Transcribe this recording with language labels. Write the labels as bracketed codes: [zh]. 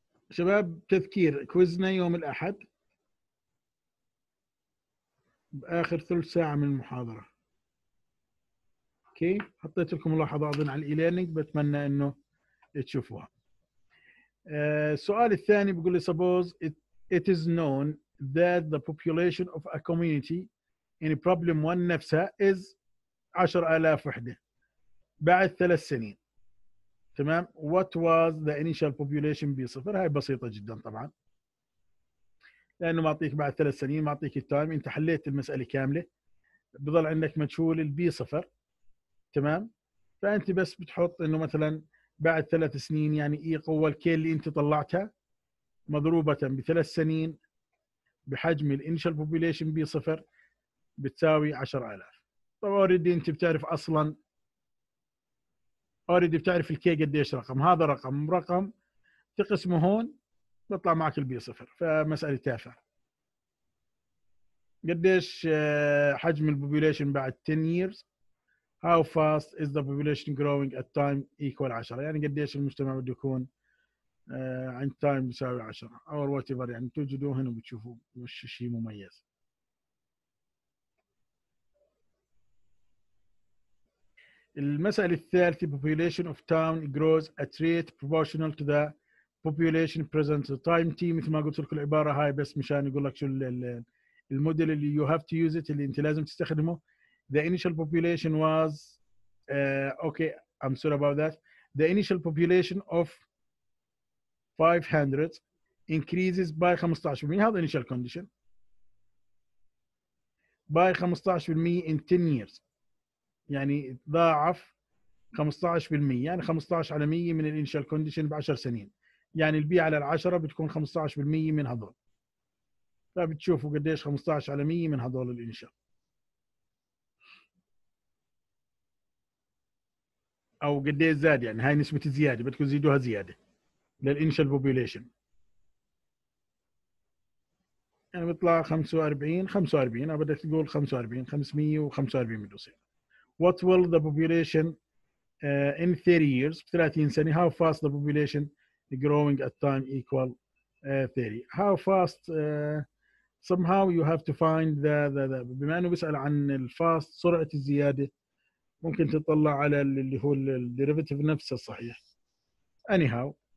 [ar] شباب تذكير كويزنا يوم الأحد بآخر ثلث ساعة من المحاضرة. أوكي، حطيت لكم ملاحظة أظن على الإيلينج، بتمنى أنه تشوفوها. السؤال الثاني بيقول لي [en] suppose it is known that the population of a community in problem one نفسها is 10,000 [ar] وحدة بعد 3 سنين. تمام، [en] what was the initial population [ar] بصفر؟ هاي بسيطة جدا طبعا، لأنه ما أعطيك بعد 3 سنين، ما أعطيك التايم، أنت حليت المسألة كاملة، بضل عندك مجهول البي صفر. تمام، فأنت بس بتحط أنه مثلا بعد 3 سنين، يعني إيه قوة الكي اللي أنت طلعتها مضروبة ب3 سنين بحجم الانيشال بوبوليشن بي صفر بتساوي 10,000. طب أوريدي أنت بتعرف أصلا، أوريدي بتعرف الكي قديش رقم، هذا رقم رقم تقسمه هون بطلع معك البي صفر، فمسألة تافهة. قديش حجم البوبوليشن بعد 10 years؟ [en] How fast is the population growing at time equal 10؟ [ar] يعني قديش المجتمع بده يكون عند time يساوي 10 أو whatever، يعني توجدوه هنا وبتشوفوا مش شيء مميز. المسألة الثالثة [en] population of town grows at rate proportional to the population present to time t. [ar] مثل ما قلت لكم العبارة هاي بس مشان يقول لك شو الموديل اللي [en] you have to use it، [ar] اللي انت لازم تستخدمه. [en] The initial population was okay. I'm sorry about that. The initial population of 500 increases by 15%. [ar] هذا initial condition. [en] By 15% in 10 years. [ar] يعني ضاعف 15%. يعني 15% من initial condition بعشر سنين. يعني البي على العشرة بتكون 15% من هذول. فبتشوفوا قديش 15% من هذول الانشال. او قديش زاد، يعني هاي نسبة الزيادة بدكم تزيدوها زيادة للانشال بوبوليشن. يعني بطلع 45 او بدك تقول 45 545 بدوصير. [en] What will the population in 30 years [ar] في 30 سنة. [en] How fast the population growing at time equal 30. How fast somehow you have to find the [ar] بما انه بسأل عن الفاست سرعة الزيادة، ممكن تطلع على اللي هو الديريفيتيف نفسه الصحيح. Anyhow